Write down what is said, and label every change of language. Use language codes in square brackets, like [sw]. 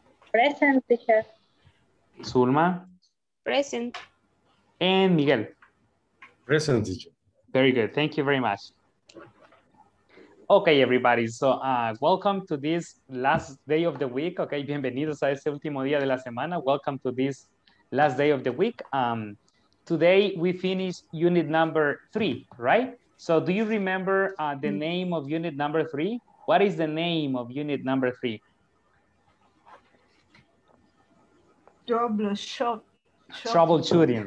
[en] Present, teacher. Zulma. Present. And Miguel. Present, teacher. Very good. Thank you very much. Okay, everybody, so welcome to this last day of the week. [es] Okay, bienvenidos a este último día de la semana. [en] Welcome to this last day of the week. Today we finish unit number 3, right? So do you remember the name of unit number 3? What is the name of unit number 3? Troubleshooting,